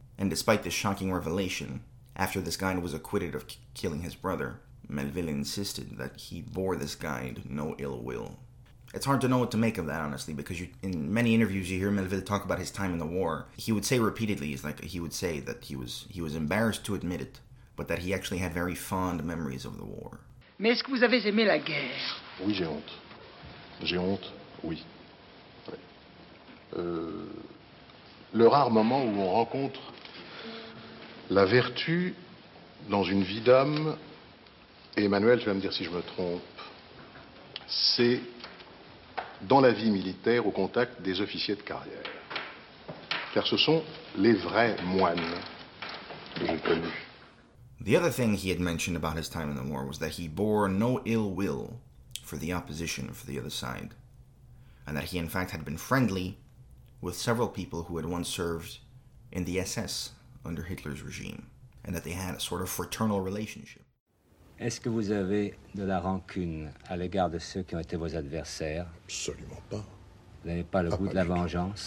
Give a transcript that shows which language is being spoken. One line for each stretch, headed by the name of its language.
English: And despite this shocking revelation, after this guide was acquitted of killing his brother, Melville insisted that he bore this guide no ill will. It's hard to know what to make of that, honestly, because in many interviews you hear Melville talk about his time in the war. He would say repeatedly, he would say that he was embarrassed to admit it, but that he actually had very fond memories of the war.
French: Mais est-ce que vous avez aimé la guerre? Oui, j'ai honte. J'ai honte, oui. Le rare moment où on rencontre la vertu dans une vie d'homme Et Emmanuel, tu vas me dire si je me trompe. C'est dans la vie militaire au contact des officiers de carrière. Car ce sont les vrais moines que j'ai connus.
English: The other thing he had mentioned about his time in the war was that he bore no ill will for the opposition for the other side, and that he in fact had been friendly with several people who had once served in the SS under Hitler's regime, and that they had a sort of fraternal relationship.
French: Est-ce que vous avez de la rancune à l'égard de ceux qui ont été vos adversaires? Absolument pas. Vous n'avez pas le goût de la vengeance?